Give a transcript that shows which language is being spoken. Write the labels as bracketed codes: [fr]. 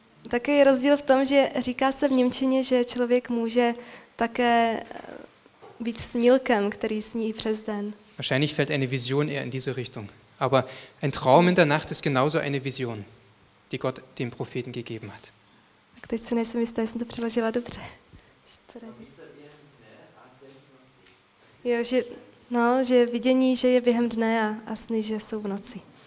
[cs] Také je rozdíl v tom, že říká se v němčině, že člověk může také být snílkem, který sní přes den. [de] Wahrscheinlich fällt eine Vision eher in diese Richtung, aber ein Traum in der Nacht ist genauso eine Vision, die Gott dem Propheten gegeben hat. [cs] Tak teď si nejsem jistá, jsem to přeložila dobře. Jo, že, no, že vidění, že je během dne a sny, že jsou v noci.